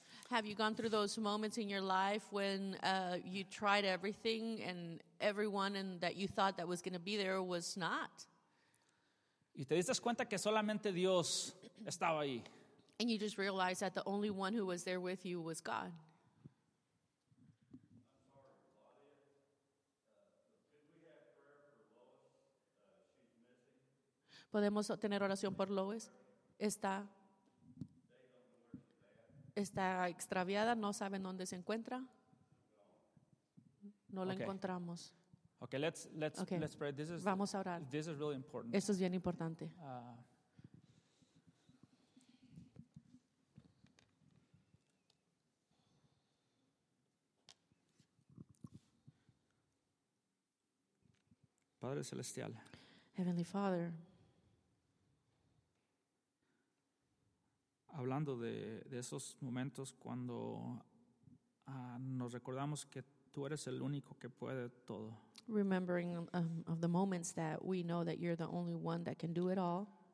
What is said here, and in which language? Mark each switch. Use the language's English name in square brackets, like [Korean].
[English] Have you gone through those moments in your life when you tried everything and everyone and that you thought that was going to be there was not? [Spanish] Y te diste cuenta que solamente Dios estaba ahí. [English] And you just realized that the only one who was there with you was God. [Spanish] ¿Podemos tener oración por Lois? Está extraviada, no saben dónde se encuentra. No la encontramos. [English] Okay, let's pray. This is, [Spanish] vamos a orar. [English] This is really important. [Spanish] Esto es bien importante. Padre Celestial. [English] Heavenly Father. [Spanish] Hablando de esos momentos cuando nos recordamos que tú eres el único que puede todo. [English] Remembering of the moments that we know that you're the only one that can do it all.